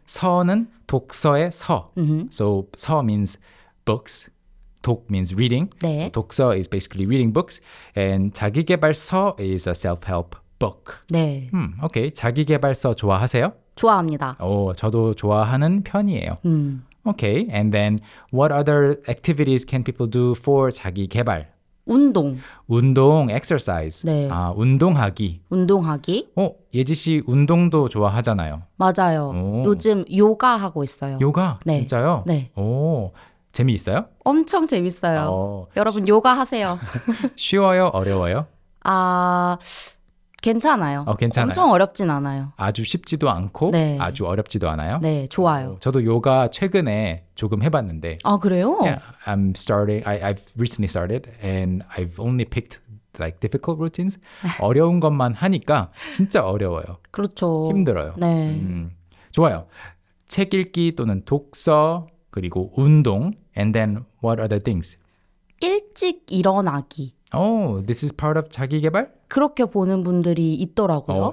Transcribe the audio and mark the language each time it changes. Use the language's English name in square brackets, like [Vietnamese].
[Korean] 서는 독서의 서. Mm-hmm. [English] So, 서 means books. 독 means reading. [Korean] 네. [English] So, 독서 is basically reading books. And 자기개발서 is a self-help book. [Korean] 네. Okay, 자기개발서 좋아하세요? 좋아합니다. 오, 저도 좋아하는 편이에요. [English] Okay, and then what other activities can people do for 자기개발? [Korean] 운동. 운동, exercise. 네. 아, 운동하기. 운동하기. 예지 씨 운동도 좋아하잖아요. 맞아요. 오. 요즘 요가 하고 있어요. 요가? 네. 진짜요? 네. 오, 재미있어요? 엄청 재밌어요. 어. 여러분 요가 하세요. 쉬워요? 어려워요? 아, 괜찮아요. 괜찮아요? 엄청 어렵진 않아요. 아주 쉽지도 않고 네. 아주 어렵지도 않아요? 네, 좋아요. 저도 요가 최근에 조금 해봤는데. 아, 그래요? [English] Yeah, I'm starting, I've recently started and I've only picked like difficult routines. [Korean] 어려운 것만 하니까 진짜 어려워요. 그렇죠. 힘들어요. 네. 좋아요. 책 읽기 또는 독서 그리고 운동. [English] And then what other things? [Korean] 일찍 일어나기. [English] Oh, this is part of 자기개발? [Korean] 그렇게 보는 분들이 있더라고요.